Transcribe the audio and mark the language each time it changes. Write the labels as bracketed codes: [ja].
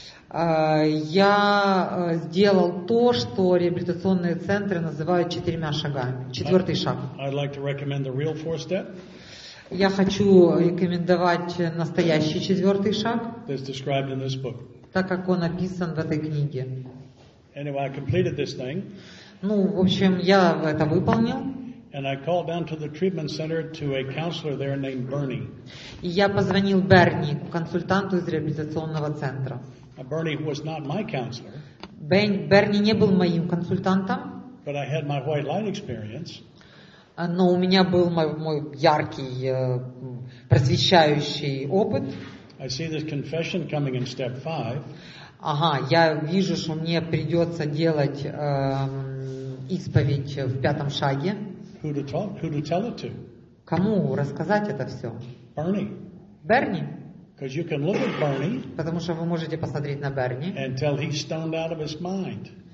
[ru] Я сделал то, что реабилитационные центры называют четырьмя шагами, четвертый шаг. [en] I'd like to recommend the real four step. [ru] Я хочу рекомендовать настоящий четвертый шаг, так как он описан в этой книге. [en] Anyway, I completed this thing. [ru] Ну, в общем, я это выполнил. [en] And I called down to the treatment center to a counselor there named Bernie. [ru] И я позвонил Берни, консультанту из реабилитационного центра. [en] Bernie was not my counselor. [ru] Берни не был моим консультантом. [en] But I had my white light experience. [ru] Но у меня был мой яркий, просвещающий опыт. [en] I see this confession coming in step five. [ru] Ага, я вижу, что мне придется делать исповедь в пятом шаге. [en] Who to tell it to? [ru] Кому рассказать это все? [en] Берни. Because you can look at Bernie. [ru] Потому что вы можете посмотреть на Берни. [en] And tell he's stoned out of his mind.